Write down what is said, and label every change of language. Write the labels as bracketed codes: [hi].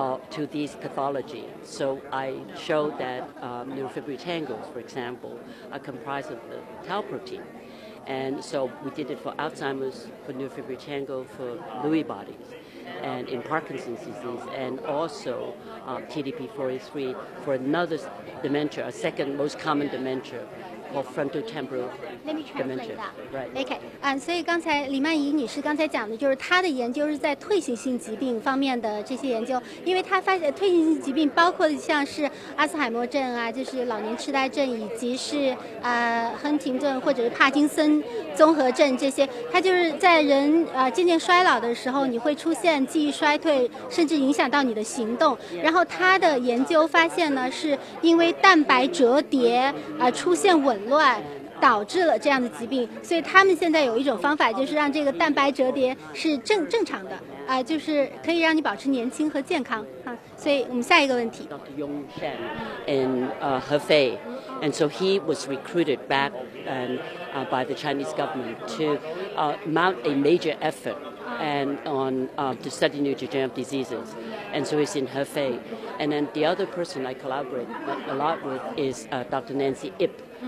[en] To these pathology. So I showed that neurofibrillary tangles, for example, are comprised of the tau protein. And so we did it for Alzheimer's, for neurofibrillary tangle, for Lewy bodies, and in Parkinson's disease, and also TDP-43 for another dementia, a second most common dementia. Let me translate that. [zh] Okay. 所以刚才李曼怡女士刚才讲的就是她的研究是在退行性疾病方面的这些研究，因为她发现退行性疾病包括像是阿斯海默症啊，就是老年痴呆症，以及是亨廷顿或者是帕金森综合症这些，它就是在人渐渐衰老的时候，你会出现记忆衰退，甚至影响到你的行动。然后她的研究发现呢，是因为蛋白折叠出现紊乱导致了这样的疾病，所以他们现在有一种方法，就是让这个蛋白折叠是正常的，就是可以让你保持年轻和健康。所以我们下一个问题。 [en] Dr. Yong Shen in Hefei, and so he was recruited back and by the Chinese government to mount a major effort and on to study neurodegenerative diseases, and so he's in Hefei. And then the other person I collaborate a lot with is Dr. Nancy Ip.